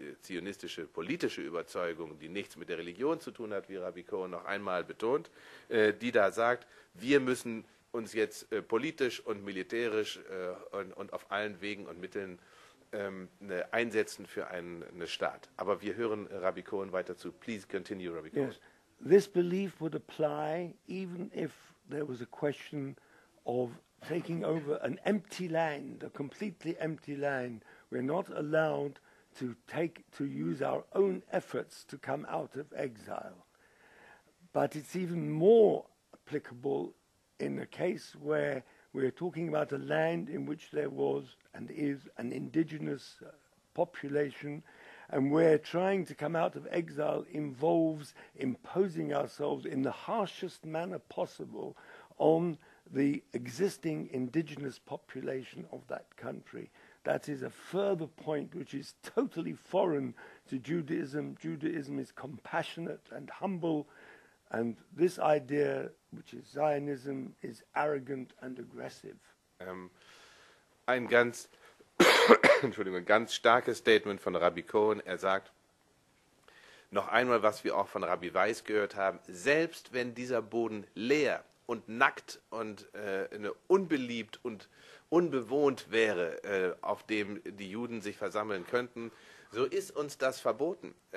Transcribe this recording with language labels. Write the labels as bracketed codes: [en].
[de] zionistische politische Überzeugung, die nichts mit der Religion zu tun hat, wie Rabbi Cohen noch einmal betont, die da sagt, wir müssen uns jetzt politisch und militärisch und auf allen Wegen und Mitteln einsetzen für einen Staat. Aber wir hören Rabbi Cohen weiter zu. [en] Please continue, Rabbi Cohen. Yes. This belief would apply even if there was a question of taking over an empty land, a completely empty land. We're not allowed to use our own efforts to come out of exile. But it's even more applicable in a case where we're talking about a land in which there was and is an indigenous population, and where trying to come out of exile involves imposing ourselves in the harshest manner possible on the existing indigenous population of that country. That is a further point which is totally foreign to Judaism. Judaism is compassionate and humble, and this idea, which is Zionism, is arrogant and aggressive. [de] Ein ganz, Entschuldigung, ganz starkes Statement von Rabbi Cohen. Er sagt, noch einmal, was wir auch von Rabbi Weiss gehört haben, selbst wenn dieser Boden leer und nackt und unbeliebt und unbewohnt wäre, auf dem die Juden sich versammeln könnten, so ist uns das verboten.